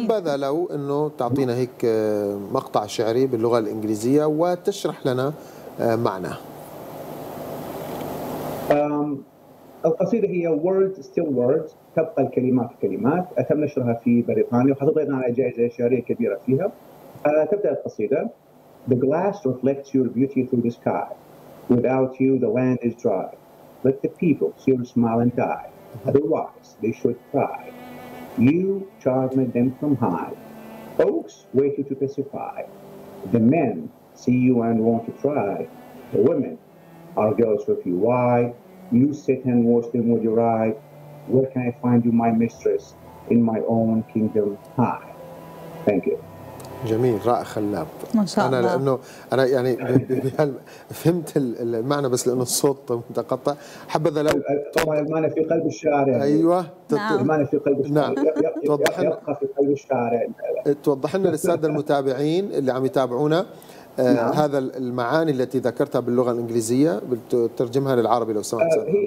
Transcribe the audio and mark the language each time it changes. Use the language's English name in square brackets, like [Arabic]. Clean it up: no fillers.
[Arabic] يعني حبذا لو أنه تعطينا هيك مقطع شعري باللغة الإنجليزية وتشرح لنا معناه. القصيدة هي Word Still Words، تبقى الكلمات كلمات، تم نشرها في بريطانيا وحصلنا على جائزة شعرية كبيرة فيها. تبدأ القصيدة: [English] The glass reflects your beauty through the sky. Without you the land is dry. Let the people see your smile and die. Otherwise, they should cry. You charmed them from high. Oaks wait you to pacify. The men see you and want to try. The women are girls with you. Why? You sit and watch them with your eye. Where can I find you, my mistress, in my own kingdom high? Thank you. [Arabic] جميل، رائع، خلاب. ما شاء الله. انا لانه انا يعني فهمت المعنى بس لانه الصوت متقطع، حبذا لو المعنى في قلب الشارع. ايوه المعنى في قلب الشارع. نعم، توضح لنا في قلب الشارع، توضح لنا للسادة المتابعين اللي عم يتابعونا. هذا المعاني التي ذكرتها باللغة الإنجليزية بترجمها للعربي لو سمحت.